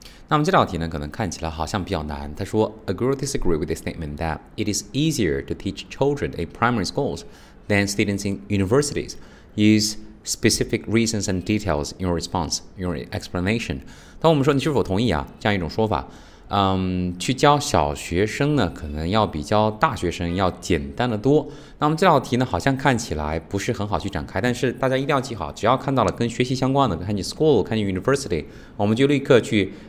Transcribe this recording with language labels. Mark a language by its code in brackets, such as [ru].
[zh] 那么这道题呢，可能看起来好像比较难。他说 [en] ，Agree or disagree with the statement that it is easier to teach children in primary schools than students in universities? Use specific reasons and details in your response, in your explanation. [zh] 当我们说你是否同意啊，这样一种说法，去教小学生呢，可能要比教大学生要简单的多。那么这道题呢，好像看起来不是很好去展开，但是大家一定要记好，只要看到了跟学习相关的，看你 school， 看你 university， 我们就立刻去。